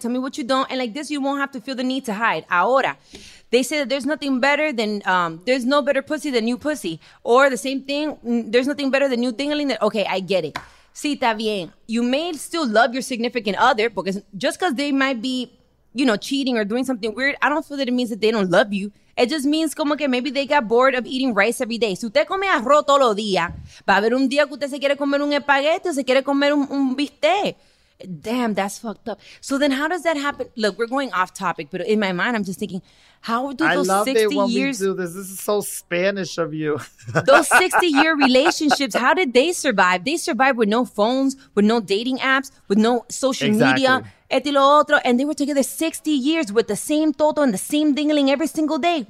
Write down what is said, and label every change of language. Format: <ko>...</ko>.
<en>Tell me what you don't. And like this, you won't have to feel the need to hide. Ahora. They say that there's nothing better than, there's no better pussy than new pussy. Or the same thing, there's nothing better than new ding-a-ling. Okay, I get it. Sí, está bien. You may still love your significant other because just because they might be, you know, cheating or doing something weird, I don't feel that it means that they don't love you. It just means como que maybe they got bored of eating rice every day.</en> <es>Si usted come arroz todos los días, va a haber un día que usted se quiere comer un espagueti o se quiere comer un bistec.</es> <en>Damn, that's fucked up. So then how does that happen? Look, we're going off topic, but in my mind, I'm just thinking, how do those 60 years... I love it when we do this. This is so Spanish of you. Those 60-year relationships, how did they survive? They survived with no phones, with no dating apps, with no social media. Et y lo otro, and they were together 60 years with the same toto and the same dingling every single day.</en>